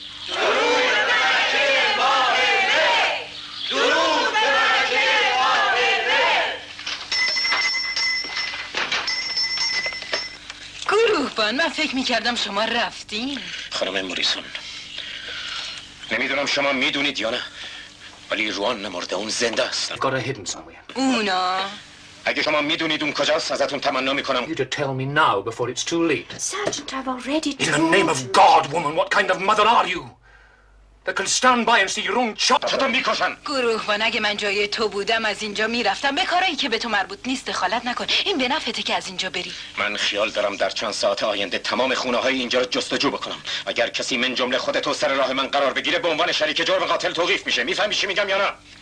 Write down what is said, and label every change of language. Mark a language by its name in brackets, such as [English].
[Persian] درود به ملکه ماه مه درود به ملکه ماه مه گروهبان من فکر میکردم شما رفتین خانم موریسون نمیدونم شما میدونید یا نه ولی روان نمرده اون زنده است اونا اگه شما میدونید اون کجاست ازتون تمنا میکنم [English] You'd tell me now before it's too late Sergeant, I've already told In the name of God, woman, what kind of mother are you? That can stand by and see your own child [Persian] چطور میکشن؟ گروهبان اگه من جای تو بودم از اینجا میرفتم به کارایی که به تو مربوط نیست دخالت نکن این به نفعته که از اینجا بری من خیال دارم در چند ساعت آینده تمام خونه های اینجا رو جستجو بکنم اگر کسی من جمله خودت و سر راه من قرار بگیره به عنوان شریک جرم قاتل توقیف میشه میفهمی چی میگم یا نه؟